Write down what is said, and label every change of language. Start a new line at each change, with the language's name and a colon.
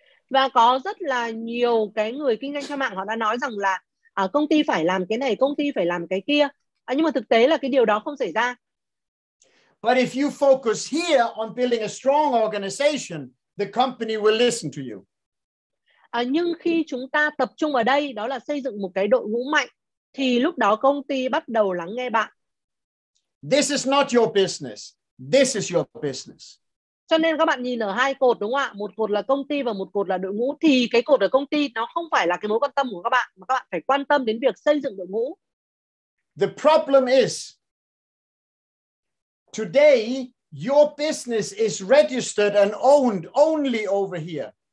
Vietnamese: Và có rất là nhiều cái người kinh doanh trên mạng họ đã nói rằng là công ty phải làm cái này, công ty phải làm cái kia. Nhưng mà thực tế là cái điều đó không xảy ra.
English: But if you focus here on building a strong organization, the company will listen to you.
Vietnamese: Nhưng khi chúng ta tập trung ở đây, đó là xây dựng một cái đội ngũ mạnh, thì lúc đó công ty bắt đầu lắng nghe bạn.
English: This is not your business. This is your business.
Vietnamese: Cho nên các bạn nhìn ở hai cột đúng không ạ? Một cột là công ty và một cột là đội ngũ. Thì cái cột ở công ty nó không phải là cái mối quan tâm của các bạn. Mà các bạn phải quan tâm đến việc xây dựng đội ngũ.
English: The problem is, today your business is registered and owned only over here.